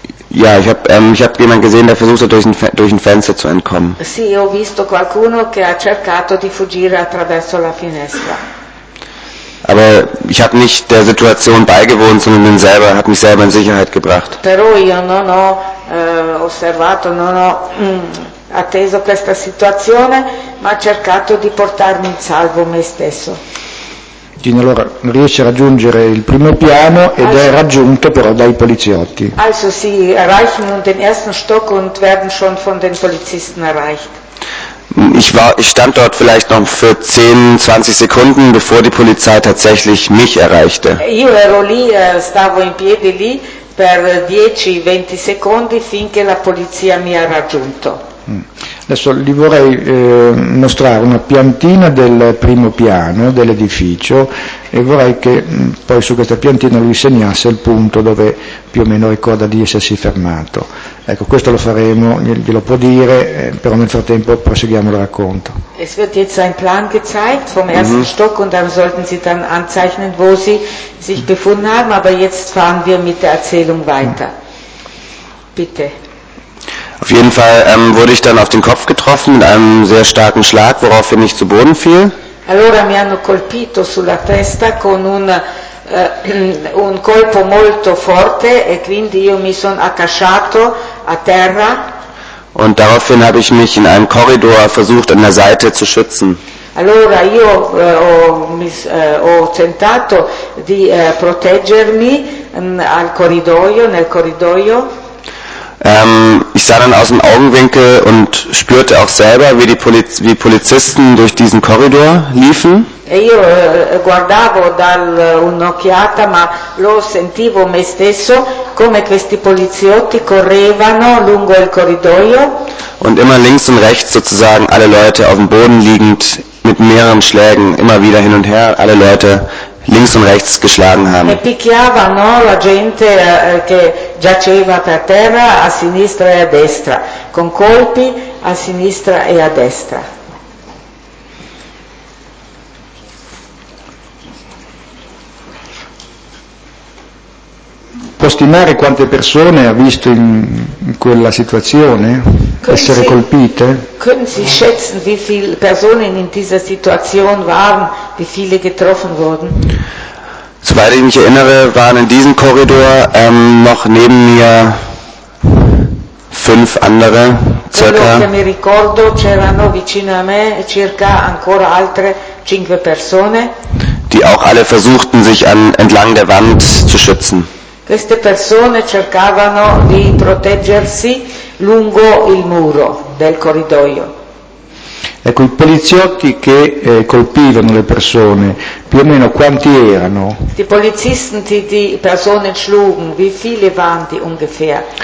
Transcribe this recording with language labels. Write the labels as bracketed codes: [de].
[de] Ja, ich hab jemanden gesehen, der versucht hat, durch ein Fenster zu entkommen. [it] Sì, ho visto qualcuno che ha cercato di fuggire attraverso la finestra. [de] Aber ich habe nicht der Situation beigewohnt, sondern habe mich selber in Sicherheit gebracht. [it] Però io non ho osservato, non ho atteso questa situazione, ma ha cercato di portarmi in salvo me stesso. Quindi allora riesce a raggiungere il primo piano ed è raggiunto però dai poliziotti. [de] Also sie erreichen nun den ersten Stock und werden schon von den Polizisten erreicht. Ich stand dort vielleicht noch für 10-20 Sekunden, bevor die Polizei tatsächlich mich erreichte. [it] Io ero lì, stavo in piedi lì per 10-20 secondi finché la polizia mi ha raggiunto. Adesso gli vorrei mostrare una piantina del primo piano dell'edificio e vorrei che poi su questa piantina lui segnasse il punto dove più o meno ricorda di essersi fermato. Ecco, questo lo faremo, glielo può dire, però nel frattempo proseguiamo il racconto. [de] Es wird jetzt ein Plan gezeigt vom ersten Stock und dann sollten Sie dann anzeichnen, wo Sie sich befunden haben, aber jetzt fahren wir mit der Erzählung weiter. Bitte. Auf jeden Fall wurde ich dann auf den Kopf getroffen mit einem sehr starken Schlag, woraufhin ich zu Boden fiel. [it] Allora mi hanno colpito sulla testa con un colpo molto forte e quindi io mi sono accasciato a terra. [de] Und daraufhin habe ich mich in einem Korridor versucht an der Seite zu schützen. [it] Allora io ho tentato di proteggermi nel corridoio. [de] Ich sah dann aus dem Augenwinkel und spürte auch selber, wie wie Polizisten durch diesen Korridor liefen. [it] E io guardavo dal un'occhiata, ma lo sentivo me stesso, come questi poliziotti correvano lungo il corridoio. [de] Und immer links und rechts sozusagen alle Leute auf dem Boden liegend mit mehreren Schlägen immer wieder hin und her, alle Leute links und rechts geschlagen haben. [it] E picchiavano la gente che giaceva per terra a sinistra e a destra, con colpi a sinistra e a destra. Può stimare quante persone ha visto in quella situazione essere colpite? [de] Können Sie schätzen, wie viele Personen in dieser Situation waren, wie viele getroffen wurden? Soweit ich mich erinnere, waren in diesem Korridor noch neben mir fünf andere, circa. [it] Quello che mi ricordo, c'erano vicino a me circa ancora altre cinque persone. [de] Die auch alle versuchten, sich entlang der Wand zu schützen. [it] Queste persone cercavano di proteggersi lungo il muro del corridoio. Ecco, i poliziotti che colpivano le persone, più o meno quanti erano? [de] Die Polizisten, die die Personen schlugen, wie viele waren die ungefähr?